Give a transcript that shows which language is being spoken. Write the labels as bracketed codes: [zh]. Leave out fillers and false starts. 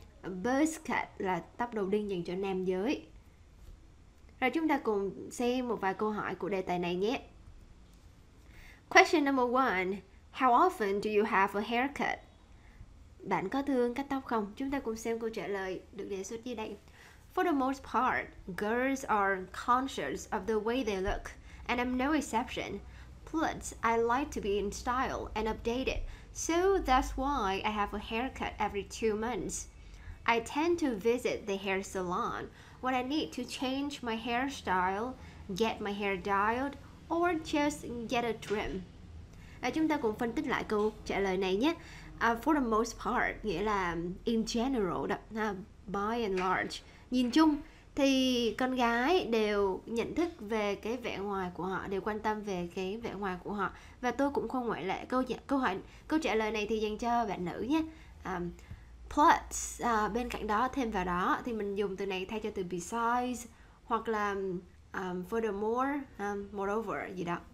[vi] Buzz cut là tóc đầu đinh dành cho nam giới. Rồi chúng ta cùng xem một vài câu hỏi của đề tài này nhé. [en] Question number 1. How often do you have a haircut? [vi] Bạn có thường cắt tóc không? Chúng ta cùng xem câu trả lời được đề xuất dưới đây. [en] For the most part, girls are conscious of the way they look, and I'm no exception. Plus, I like to be in style and updated, so that's why I have a haircut every 2 months. I tend to visit the hair salon when I need to change my hairstyle, get my hair dialed, or just get a trim. [vi] À, chúng ta cũng phân tích lại câu trả lời này nhé. [en] For the most part, [vi] nghĩa là [en] in general, by and large. [vi] Nhìn chung thì con gái đều nhận thức về cái vẻ ngoài của họ, đều quan tâm về cái vẻ ngoài của họ. Và tôi cũng không ngoại lệ. Câu trả lời này thì dành cho bạn nữ nhé. [en] Plus, [vi] bên cạnh đó, thêm vào đó thì mình dùng từ này thay cho từ [en] besides [vi] hoặc là [en] furthermore, moreover [vi] gì đó.